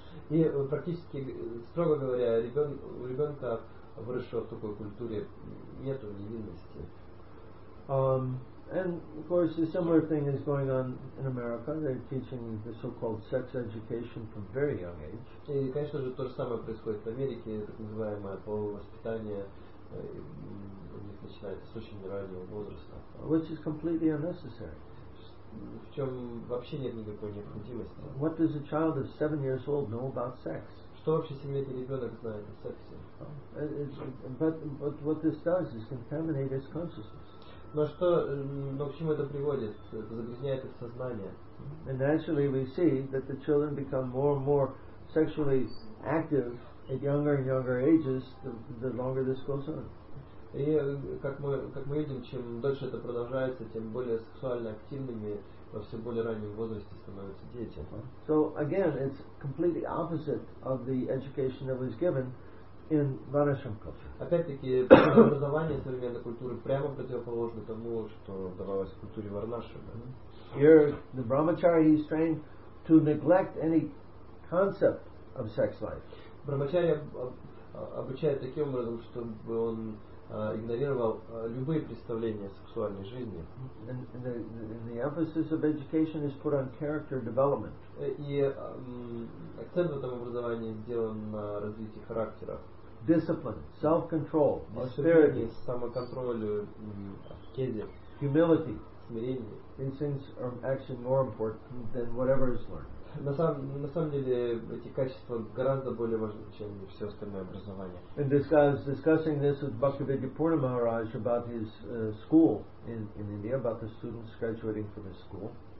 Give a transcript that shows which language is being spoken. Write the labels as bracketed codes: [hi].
[ru] И практически, строго говоря, у ребенка, выросшего в такой культуре, нет невинности. [en] And of course, a similar thing is going on in America. They're teaching the so-called sex education from very young age. [ru] И, конечно же, то же самое происходит в Америке, так называемое половое воспитание. У них начинается с очень раннего возраста. [en] Which is completely unnecessary. [ru] В чем вообще нет никакой необходимости. [en] What does a child of 7 years old know about sex? [ru] Что вообще 7-летний ребенок знает о сексе? [en] But what this does is contaminate his consciousness. [ru] Но к чему это приводит? Это загрязняет их сознание. [en] And naturally we see that the children become more and more sexually active at younger and younger ages, the longer this goes on. [ru] И как мы видим, чем дольше это продолжается, тем более сексуально активными во все более раннем возрасте становятся дети. [en] So again, it's completely opposite of the education that was given in Varnashram culture. [ru] Опять-таки, образование современной культуры прямо противоположно тому, что давалось в культуре Варнашрама. [en] Here, the brahmachari is trained to neglect any concept of sex life. [ru] Брахмачарья обучает таким образом, чтобы он игнорировал любые представления о сексуальной жизни. [en] The emphasis of education is put on character development. [ru] И акцент в этом образовании сделан на развитии характера. [en] Discipline, self-control, [ru] самоконтролю, аскезе, [en] humility, [ru] смирение. [en] These things are actually more important than whatever is learned. [ru] На самом деле эти качества гораздо более важны, чем все остальное образование. [en] And this guy is discussing this with Bhaktivedya Purna Maharaj about his school in India, about the students graduating from his school.